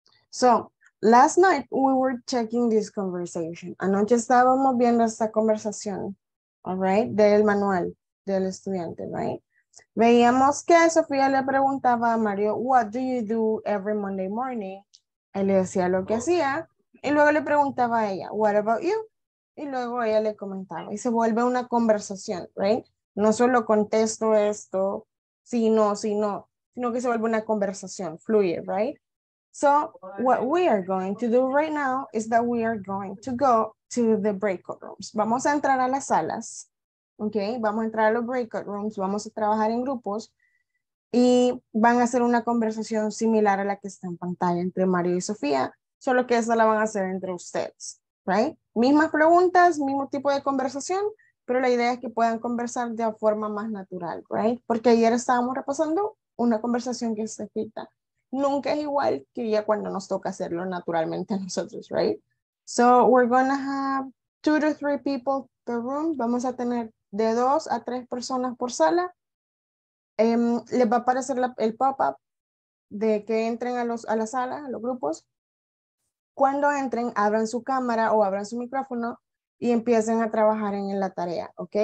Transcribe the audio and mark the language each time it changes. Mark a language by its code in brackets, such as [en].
[en] So last night we were checking this conversation. [es] Anoche estábamos viendo esta conversación, all right, del manual del estudiante, right? Veíamos que Sofía le preguntaba a Mario, what do you do every Monday morning? Él le decía lo que hacía y luego le preguntaba a ella, what about you? Y luego ella le comentaba y se vuelve una conversación, right? No solo contesto esto, sino que se vuelve una conversación, fluye, right? [en] So, what we are going to do right now is that we are going to go to the breakout rooms. [es] Vamos a entrar a las salas, okay? Vamos a entrar a los breakout rooms, vamos a trabajar en grupos y van a hacer una conversación similar a la que está en pantalla entre Mario y Sofía, solo que esa la van a hacer entre ustedes, right? Mismas preguntas, mismo tipo de conversación, pero la idea es que puedan conversar de forma más natural, right? Porque ayer estábamos repasando una conversación que está escrita. Nunca es igual que ya cuando nos toca hacerlo naturalmente a nosotros, right? [en] So we're gonna have 2 to 3 people per room. [es] Vamos a tener de 2 a 3 personas por sala. Les va a aparecer el pop-up de que entren a la sala, a los grupos. Cuando entren, abran su cámara o abran su micrófono y empiecen a trabajar en la tarea, ¿ok?